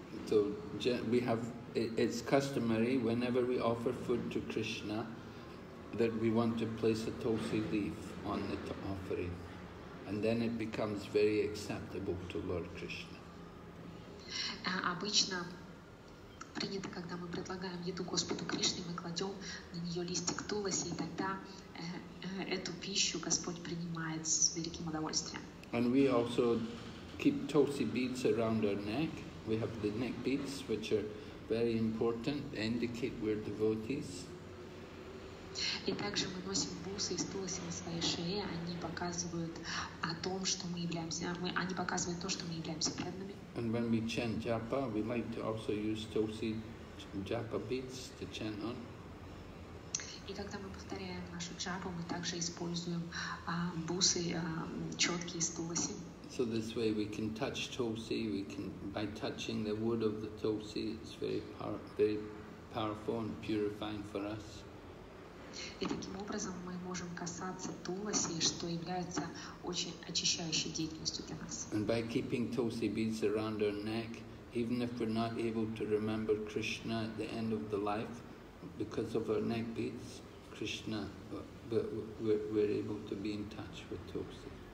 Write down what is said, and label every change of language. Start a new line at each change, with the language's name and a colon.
English: So, we have, it's customary, whenever we offer food to Krishna, that we want to place a tulsi leaf on the offering. And then it becomes very acceptable to Lord Krishna.
Russian: Обычно принято, когда мы предлагаем еду Господу Кришне, мы кладем на нее листик туласи, и тогда эту пищу Господь принимает с великим удовольствием.
English: And we also keep tulsi beads around our neck. We have the neck beads, which are very important, indicate we're devotees.
Russian: И также мы носим бусы из туласи на своей шее, они показывают о том, что мы являемся, они показывают то, что мы являемся преданными.
English: And when we chant japa, we like to also use tulsi japa beads to chant on.
Russian: И когда мы повторяем нашу джапу, мы также используем бусы, четки из туласи.
English: So this way we can touch tulsi, we can, by touching the wood of the tulsi, it's very powerful and purifying for us.
Russian: И таким образом мы можем касаться туласи, что является очень очищающей деятельностью для нас.
English: And by keeping tulsi beads around our neck, even if we're not able to remember Krishna at the end of the life, because of our neck beads, Krishna, we're able to be in touch with tulsi.